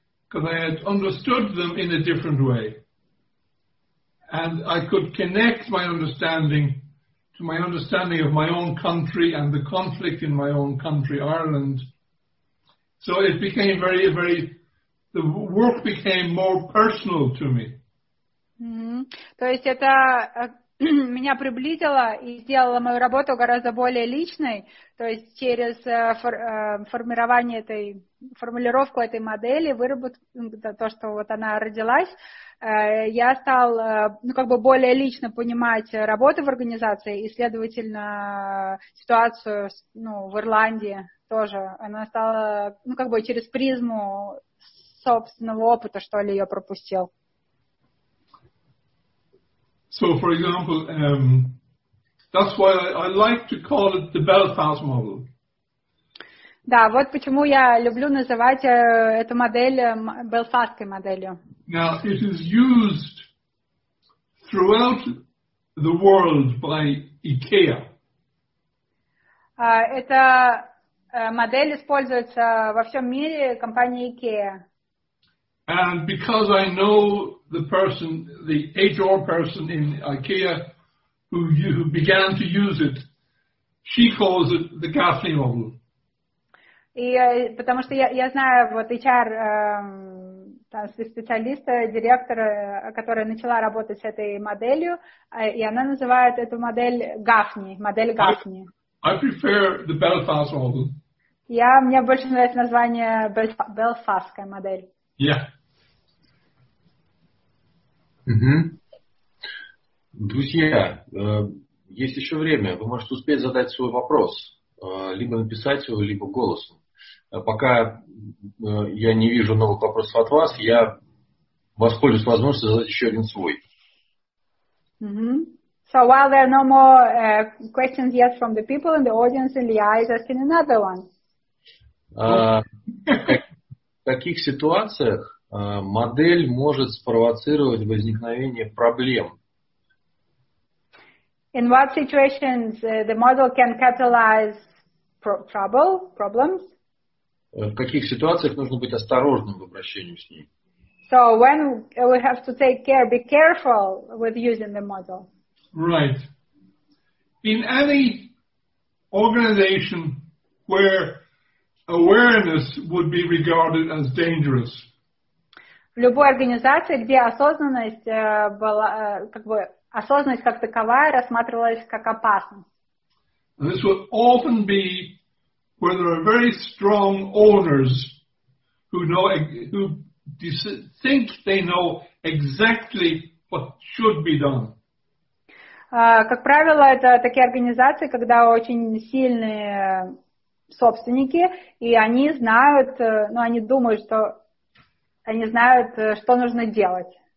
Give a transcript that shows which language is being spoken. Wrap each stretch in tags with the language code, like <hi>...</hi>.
<en>because I had understood them in a different way. And I could connect my understanding to my understanding of my own country and the conflict in my own country, Ireland. So it became very, very, the work became more personal to me.</en> <ru>То есть это меня приблизило и сделало мою работу гораздо более личной, то есть через формирование этой, формулировку этой модели, выработку, то, что вот она родилась, я стал, ну, как бы более лично понимать работу в организации и, следовательно, ситуацию, ну, в Ирландии тоже. Она стала, ну, как бы через призму собственного опыта, что ли, ее пропустил.</ru> <en>So, for example, that's why I like to call it the Belfast model.</en> <ru>Да, вот почему я люблю называть эту модель белфастской моделью.</ru> <en>Now, it is used throughout the world by IKEA.</en> <ru>Эта модель используется во всем мире компанией IKEA.</ru> <en>And because I know the person, the HR person in IKEA, who began to use it, she calls it the Gaffney model.</en> <ru>И потому что я знаю вот HR там специалиста, директора, которая начала работать с этой моделью, и она называет эту модель Гафни, модель Гафни.</ru> <en>I prefer the Belfast model.</en> <ru>Мне больше нравится название Белфастская модель.</ru> <en>Yeah.</en> <ru>Угу. Друзья, есть еще время. Вы можете успеть задать свой вопрос, либо написать его, либо голосом. Пока я не вижу новых вопросов от вас, я воспользуюсь возможностью задать еще один свой. Угу.</ru> <en>So while there are no more questions yet from the people in the audience, Илья is asking another one.</en> <ru>В каких ситуациях модель может спровоцировать возникновение проблем?</ru> <en>In what situations the model can catalyze trouble, problems?</en> <ru>В каких ситуациях нужно быть осторожным в обращении с ней?</ru> <en>So when we have to take care, be careful with using the model. Right. In any organization where awareness would be regarded as dangerous.</en> <ru>В любой организации, где осознанность была, как бы осознанность как таковая рассматривалась как опасность.</ru> <en>This would often be where there are very strong owners who know, who think they know exactly what should be done.</en> <ru>Как правило, это такие организации, когда очень сильные собственники, и они знают, ну, они думают, что они знают, что нужно делать.</ru>